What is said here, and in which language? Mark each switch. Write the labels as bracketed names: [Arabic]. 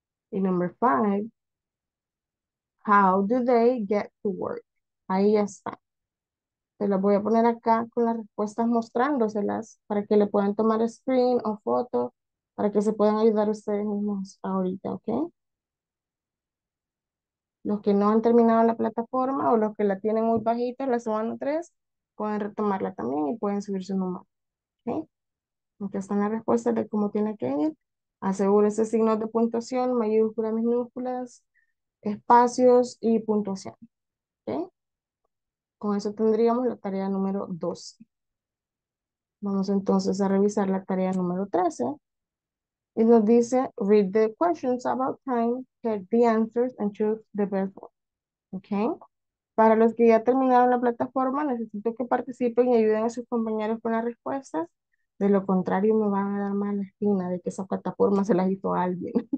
[English] Y number five, how do they get to work? [Spanish] Ahí ya está. Se las voy a poner acá con las respuestas mostrándoselas para que le puedan tomar screen o foto, para que se puedan ayudar ustedes mismos ahorita, ¿ok? Los que no han terminado la plataforma o los que la tienen muy bajita, la semana 3. Pueden retomarla también y pueden subir su número. ¿Okay? Aquí están las respuestas de cómo tiene que ir. Asegúrese signos de puntuación, mayúsculas, minúsculas, espacios y puntuación. ¿Okay? Con eso tendríamos la tarea número 12. Vamos entonces a revisar la tarea número 13. Y nos dice, [English] read the questions about time, get the answers and choose the best one. [Spanish] ¿Okay? Para los que ya terminaron la plataforma, necesito que participen y ayuden a sus compañeros con las respuestas. De lo contrario, me van a dar mala espina de que esa plataforma se la hizo a alguien.